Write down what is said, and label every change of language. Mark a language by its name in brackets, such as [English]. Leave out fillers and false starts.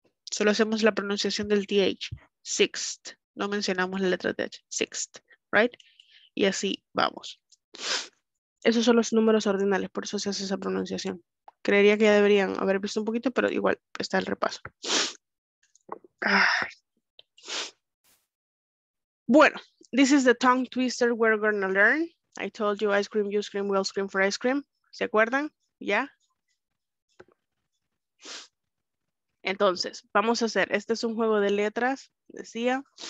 [Spanish] Solo hacemos la pronunciación del TH, sixth. No mencionamos la letra TH, sixth, right? Y así vamos. Esos son los números ordinales, por eso se hace esa pronunciación. Creería que ya deberían haber visto un poquito, pero igual está el repaso. [English] Bueno, this is the tongue twister we're gonna learn. I told you ice cream, you scream, we'll scream for ice cream. [Spanish] ¿Se acuerdan? ¿Ya? Entonces, vamos a hacer, este es un juego de letras, decía.